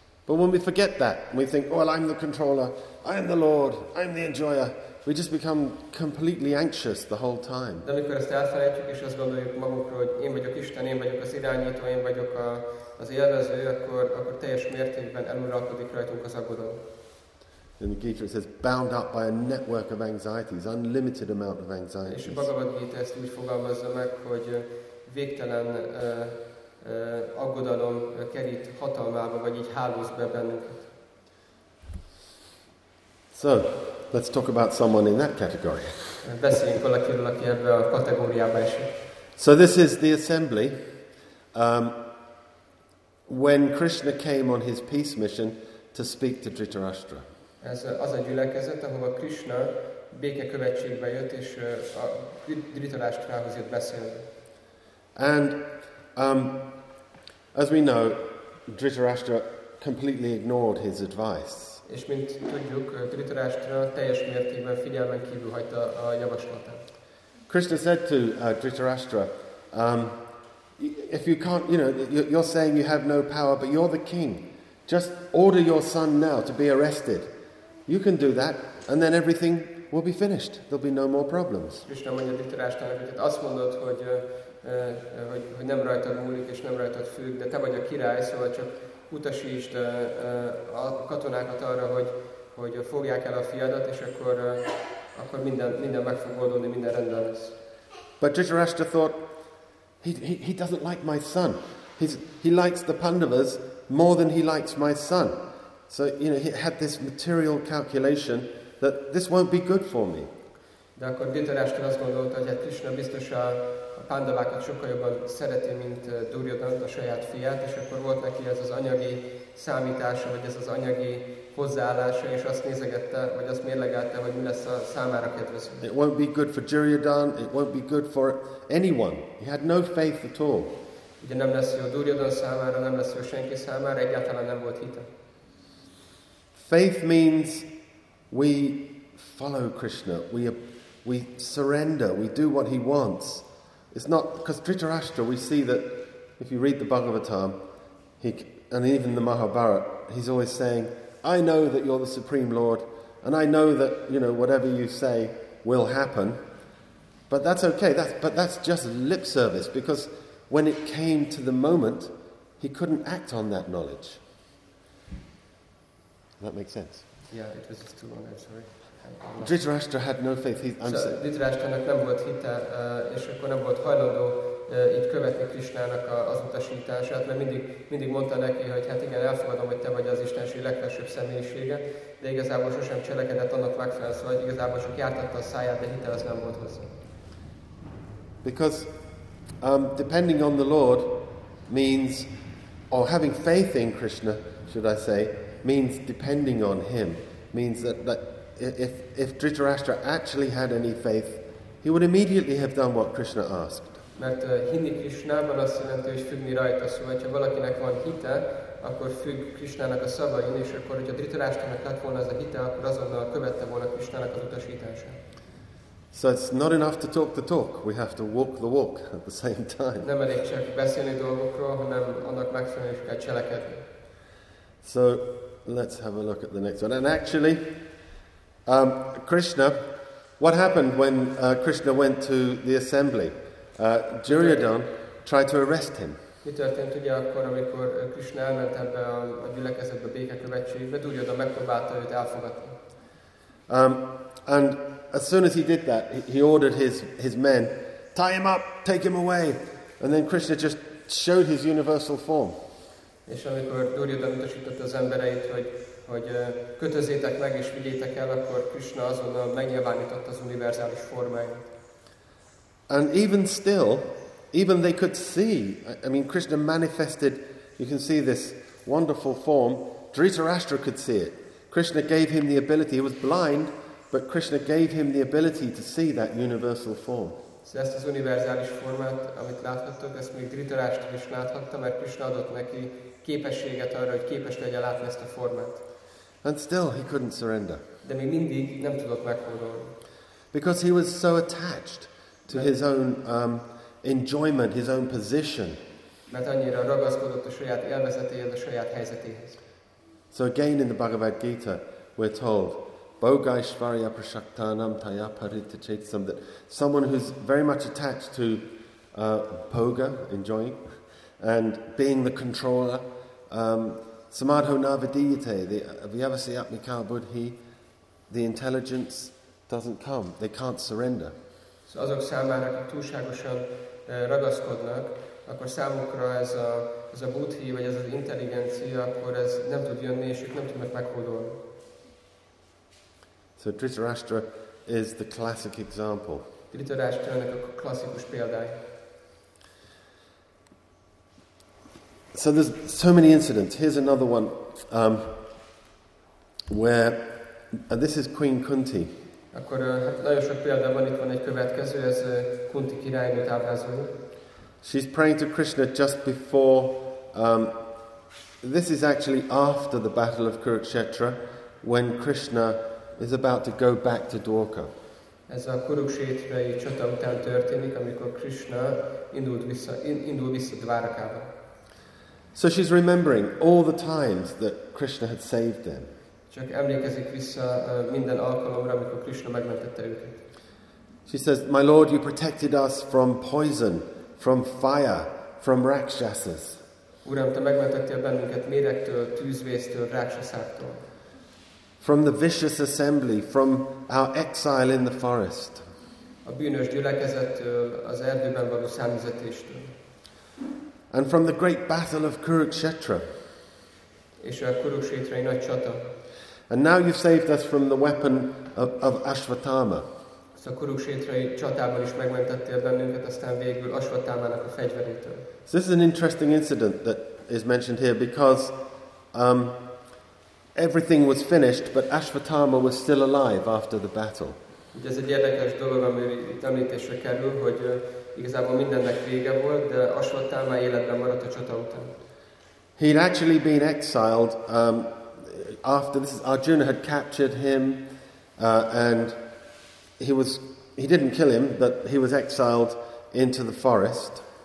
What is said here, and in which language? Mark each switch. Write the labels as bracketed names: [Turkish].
[English] But when we forget that, we think, well, I'm the controller, I'm the Lord, I'm the enjoyer. We just become completely anxious the whole time. [Hungarian] De amikor ezt elfelejtjük, és azt gondoljuk magunkra, hogy én vagyok Isten, én vagyok az irányító, én vagyok az élvező, akkor teljes mértékben eluralkodik rajtunk az aggodalom. [English] In the Gita it says, bound up by a network of anxieties, unlimited amount of anxieties. [Hungarian] És a Bhagavad Gita ezt úgy fogalmazza meg, hogy végtelen aggodalom kerít hatalmába, vagy így hálóz be bennünket. [English] So, let's talk about someone in that category. [Hungarian] Beszéljünk valakiről, aki ebbe a kategóriába esik. [English] So this is the assembly. When Krishna came on his peace mission to speak to Dhritarashtra. [Hungarian] Ez az a gyülekezet, ahova Krishna békekövetségbe jött, és a Dhritarashtrához jött beszélni. [English] And as we know, Dhritarashtra completely ignored his advice. [Hungarian] És mint tudjuk, Dhritarashtra teljes mértékben figyelmen kívül hagyta a javaslatát. [English] Krishna said to Dhritarashtra, if you can't, you know, you're saying you have no power, but you're the king. Just order your son now to be arrested. You can do that, and then everything will be finished. There'll be no more problems. [Hungarian] Krishna mondja Dhritarashtrának, hogy azt mondod, hogy nem rajtad múlik, és nem rajtad függ, de te vagy a király, szóval csak utasítsd a katonákat arra, hogy fogják el a fiadat, és akkor minden meg fog oldódni, minden rendben lesz. [English] But Dhritarashtra thought, he doesn't like my son. He likes the Pandavas more than he likes my son. So, you know, he had this material calculation that this won't be good for me. [Hungarian] De akkor Dhritarashtra azt gondolta, hogy Krishna biztos a Pandavákat sokkal jobban szereti, mint Duryodhant, a saját fiát, és akkor volt neki ez az anyagi számítása, vagy ez az anyagi hozzáállása, és azt nézegette, vagy azt mérlegelte, hogy mi lesz a számára kedvező. [English] It won't be good for Duryodhant, it won't be good for anyone. He had no faith at all. [Hungarian] Ugye nem lesz jó Duryodhant számára, nem lesz jó senki számára, egyáltalán nem volt hite. [English] Faith means we follow Krishna, we surrender, we do what he wants. It's not, because Dhritarashtra, we see that, if you read the Bhagavatam, and even the Mahabharata, he's always saying, I know that you're the Supreme Lord, and I know that, you know, whatever you say will happen, but that's okay, that's just lip service, because when it came to the moment, he couldn't act on that knowledge. That makes sense. Yeah, it was just too long, I'm sorry. Dhritarashtra had no faith. [Hungarian] Dhritarashtra-nak nem volt hite, és akkor nem volt hajlandó így követni Krisnának az utasítását, mert mindig mondta neki, hogy hát igen, elfogadom, hogy te vagy az Istenség legfelsőbb személyisége, de igazából sosem cselekedett annak megfelelően, szóval igazából csak jártatta a száját, de hite az nem volt hozzá. [English] Because depending on the Lord means, or having faith in Krishna, should I say, means depending on him, means that if Dhritarashtra actually had any faith, he would immediately have done what Krishna asked. [Hungarian] Mert hinni Krishnában azt jelenti, hogy függni rajta, szóval, hogyha valakinek van hite, akkor függ Krishnának a szavain, és akkor, hogyha Dhritarashtrának lett volna ez a hite, akkor azonnal követte volna Krishnának az utasítását. [English] So it's not enough to talk the talk, we have to walk the walk at the same time. [Hungarian] Nem elég csak beszélni dolgokról, hanem annak megfelelően kell cselekedni. [English] So let's have a look at the next one. And actually, Krishna, what happened when Krishna went to the assembly? Duryodhan tried to arrest him. [Hungarian] Mi történt ugye akkor, amikor Krishna elment ebbe a gyülekezetbe, a békekövetségbe, Duryodhan megpróbálta őt elfogadni. [English] And as soon as he did that, he ordered his men, tie him up, take him away. And then Krishna just showed his universal form. [Hungarian] És amikor Duryodhan utasította az embereit, hogy kötözétek meg és vigyétek el, akkor Krishna azonnal megnyilvánított az univerzális formáját. [English] And even still, even they could see, I mean, Krishna manifested, you can see this wonderful form, Dhritarashtra could see it. Krishna gave him the ability, he was blind, but Krishna gave him the ability to see that universal form. [Hungarian] Szóval ezt az univerzális formát, amit láthattok, ezt még Dhritarashtra is láthatta, mert Krishna adott neki képességet arra, hogy képes legyen látni ezt a formát. [English] And still he couldn't surrender. [Hungarian] De még mindig nem tudott megfordulni. [English] Because he was so attached to his own enjoyment, his own position. [Hungarian] Mert annyira ragaszkodott a saját élvezetéhez, a saját helyzetéhez. [English] So again in the Bhagavad Gita we're told, [Sanskrit] Bhogaishvarya prasaktanam taya paritta chetasam, [English] that someone who's very much attached to bhoga, enjoying, and being the controller, [Sanskrit] samadho navidiyate, [English] the [Sanskrit] vyavasi apmika buddhi, [English] the intelligence doesn't come, they can't surrender. [Hungarian] So azok számára, akik túlságosan ragaszkodnak, akkor számukra ez a buddhi, vagy ez az intelligencia, akkor ez nem tud jönni, és ők nem tudnak meghódolni. [English] So Dhritarashtra is the classic example. [Hungarian] Dhritarashtra-nak a klasszikus példája. [English] So there's so many incidents. Here's another one where, and this is Queen Kunti. [Hungarian] Akkor nagyon sok példa van, itt van egy következő, ez Kunti királynőt ábrázolja. [English] She's praying to Krishna just before, this is actually after the battle of Kurukshetra, when Krishna is about to go back to Dwarka. [Hungarian] Ez a Kurukshetrai csata után történik, amikor Krishna indul vissza Dvárakába. [English] So she's remembering all the times that Krishna had saved them. [Hungarian] Csak emlékezik vissza minden alkalomra, amikor Krishna megmentette őket. [English] She says, "My Lord, you protected us from poison, from fire, from rakshasas." [Hungarian] Uram, te megmentettél bennünket méregtől, tűzvésztől, rákcsaszától. [English] From the vicious assembly, from our exile in the forest. [Hungarian] A bűnös gyülekezettől, az erdőben való számüzetéstől. [English] And from the great battle of Kurukshetra. [Hungarian] És a Kurukshetrai nagy csata. [English] And now you've saved us from the weapon of Ashvatthama. [Hungarian] A Kurukshetrai csatában is megmentettél bennünket, aztán végül Ashvatthamának a fegyverétől. [English] So this is an interesting incident that is mentioned here because everything was finished, but Ashvatthama was still alive after the battle. [Hungarian] Ez egy érdekes dolog, ami itt említésre kerül, hogy igazából mindennek vége volt, de Ashvatthama életben maradt a csata után. [English] He'd actually been exiled after this. Arjuna had captured him, and he didn't kill him, but he was exiled into the forest.